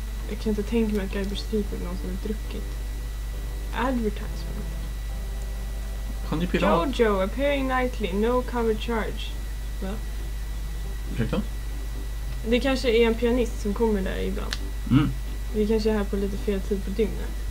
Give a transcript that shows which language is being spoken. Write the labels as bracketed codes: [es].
[sv] Jag kan inte tänka mig att Guybrush Threepwood eller någon som har druckit. [en] Advertisement. [sv] Han är ju pirat. [en] Jojo, appearing nightly, no cover charge. [sv] Va? Ursäkta? Det kanske är en pianist som kommer där ibland. Mm. Vi kanske är här på lite fel tid på dygnet.